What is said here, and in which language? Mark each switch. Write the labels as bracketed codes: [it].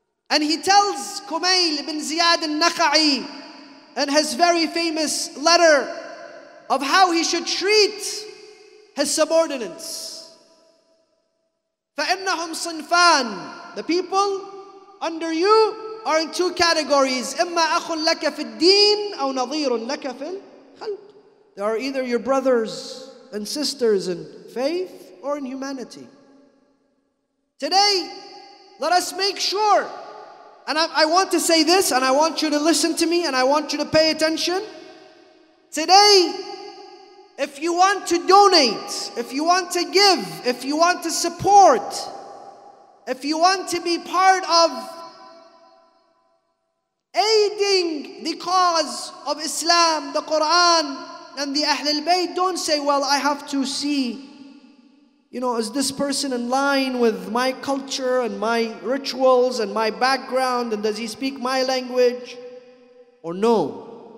[en] And he tells Kumail ibn Ziyad al-Nakha'i in his very famous letter of how he should treat his subordinates. [ar] فَإِنَّهُمْ صِنْفَانِ. [en] The people under you are in two categories. [ar] إِمَّا أَخٌ لَكَ فِي الدِّينِ أَوْ نَظِيرٌ لَكَ فِي الْخَلْقِ. [en] They are either your brothers and sisters in faith or in humanity. Today, let us make sure. And I want to say this, and I want you to listen to me, and I want you to pay attention. Today, if you want to donate, if you want to give, if you want to support, if you want to be part of aiding the cause of Islam, the Quran, and the Ahlul Bayt, don't say, well, I have to see, you know, is this person in line with my culture and my rituals and my background, and does he speak my language? Or no?